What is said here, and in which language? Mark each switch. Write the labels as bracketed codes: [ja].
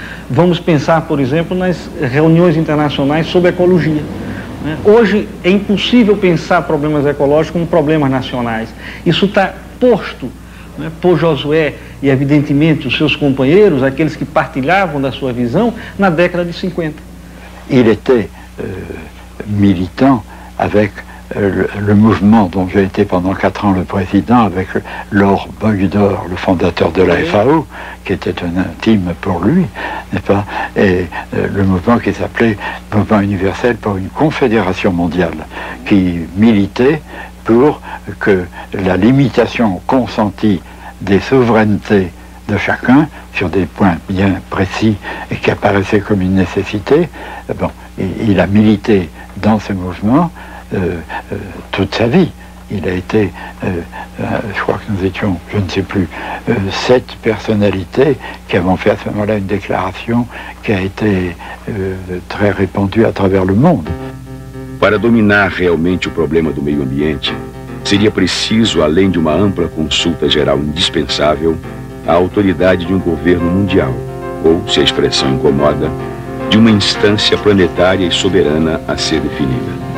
[pt] Vamos pensar, por exemplo, nas reuniões internacionais sobre ecologia. Hoje é impossível pensar problemas ecológicos como problemas nacionais. Isso está posto, né, por Josué e, evidentemente, os seus companheiros, aqueles que partilhavam da sua visão, na década de 50. [fr] Ele était militant avec le mouvement dont j'ai été pendant 4 ans le président, avec Laure Bohudor, le fondateur de la FAO, qui était un intime pour lui, n'est-ce pas, et le mouvement qui s'appelait Mouvement universel pour une confédération mondiale, qui militait pour que la limitation consentie des souverainetés de chacun, sur des points bien précis et qui apparaissaient comme une nécessité, bon, il a milité dans ce mouvement toute sa vie. Il a été, je crois que nous étions, je ne sais plus, 7 personnalités qui avons fait à ce moment-là une déclaration qui a été très répandue à travers le monde. [pt] Para dominar realmente o problema do meio ambiente, seria preciso, além de uma ampla consulta geral indispensável, a autoridade de governo mundial, ou, se a expressão incomoda, de uma instância planetária e soberana a ser definida.